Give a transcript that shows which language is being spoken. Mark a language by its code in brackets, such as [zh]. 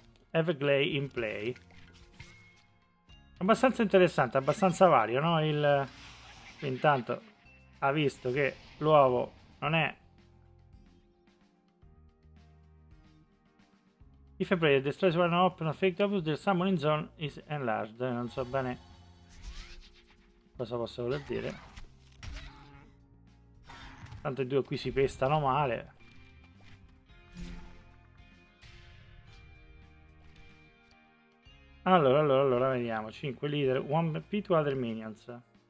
[en] Everglade in play. [it] Abbastanza interessante, abbastanza vario, no? Intanto ha visto che l'uovo non è... [en] If a player destroys one open fake double, the summoning zone is enlarged. [it] Non so bene cosa possa voler dire. Tanto i due qui si pestano male. Allora, vediamo. [en] 5 leader, 1 P, 2 other minions.